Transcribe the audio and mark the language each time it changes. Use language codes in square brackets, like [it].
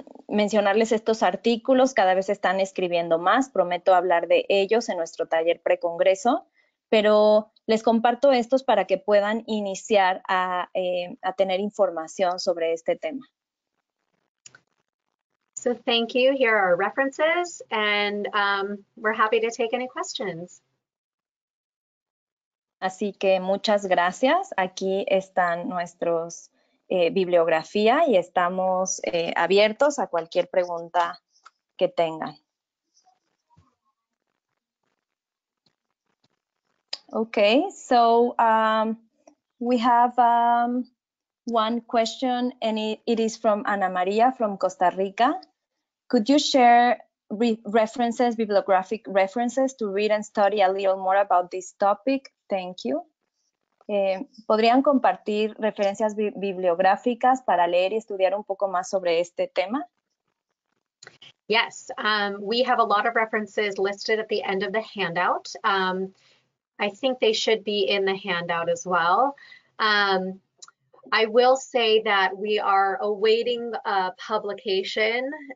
[es] Mencionarles estos artículos, cada vez están escribiendo más, prometo hablar de ellos en nuestro taller precongreso, pero les comparto estos para que puedan iniciar a tener información sobre este tema. [en] So thank you. Here are our references, and we're happy to take any questions. [es] Así que muchas gracias. Aquí están nuestros bibliografía y estamos abiertos a cualquier pregunta que tengan. [en] Okay, so we have one question, and it is from Ana María from Costa Rica. Could you share references, bibliographic references to read and study a little more about this topic? Thank you. [es] ¿Podrían compartir referencias bibliográficas para leer y estudiar un poco más sobre este tema? [en] Yes, we have a lot of references listed at the end of the handout. I think they should be in the handout as well. I will say that we are awaiting a publication.